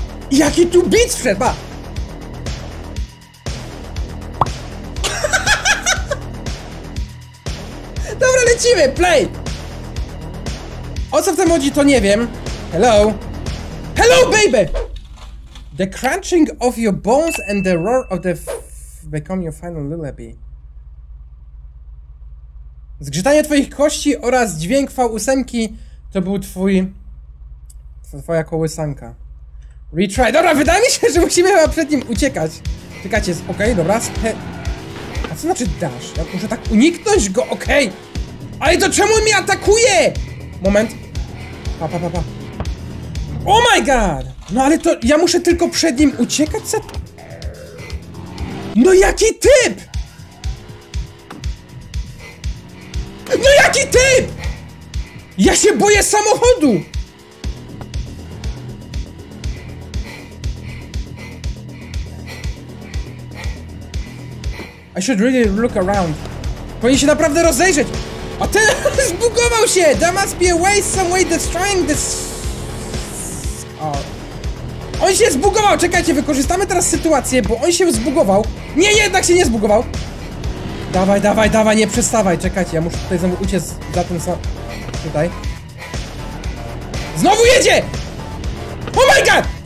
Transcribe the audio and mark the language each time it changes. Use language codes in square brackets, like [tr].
[pl] Jaki tu beat wszedł, Dobra, lecimy, play! O co w tym chodzi, to nie wiem. [en] Hello? Hello, baby! The crunching of your bones and the roar of the... Become your final lullaby. [pl] Zgrzytanie twoich kości oraz dźwięk V8 to był twój... Twoja kołysanka. Retry. Dobra, wydaje mi się, że musimy chyba przed nim uciekać. Czekajcie, okej, okay, dobra. A co znaczy dash? Ja muszę tak uniknąć go, okej. Okay. Ale to czemu mnie atakuje? Moment. Pa, pa, pa, pa. Oh my god! No ale to ja muszę tylko przed nim uciekać? Co? No jaki typ! No jaki typ! Ja się boję samochodu! [en] I should really look around. [pl] Powinien się naprawdę rozejrzeć! A ten zbugował się! [en] There must be a way, some way destroying this... [pl] On się zbugował! Czekajcie, wykorzystamy teraz sytuację, bo on się zbugował. Nie, jednak się nie zbugował! Dawaj, dawaj, dawaj, nie przestawaj, czekajcie, ja muszę tutaj znowu uciec za ten sam... Tutaj. Znowu jedzie! Oh my god!